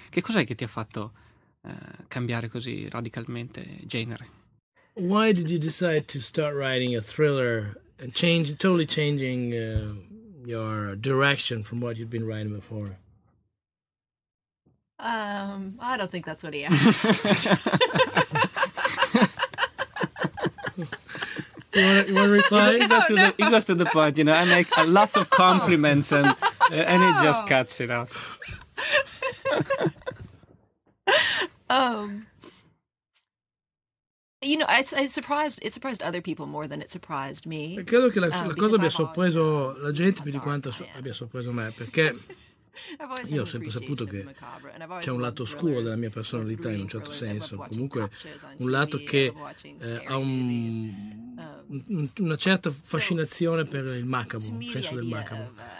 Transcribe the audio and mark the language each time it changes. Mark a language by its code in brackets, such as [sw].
[it] Che cos'è che ti ha fatto cambiare così radicalmente genere? [en] Why did you decide to start writing a thriller and totally changing your direction from what you'd been writing before? I don't think that's what he asked. you want to reply? No, he goes to the point, you know, I make lots of compliments and he just cuts it out. You know, it surprised other people more than it surprised me. [it] E credo che la cosa abbia sorpreso la gente più di quanto abbia sorpreso me, perché io ho sempre saputo che c'è un lato oscuro della mia personalità in un certo senso, comunque un lato che ha una certa fascinazione per il macabro, il senso del macabro.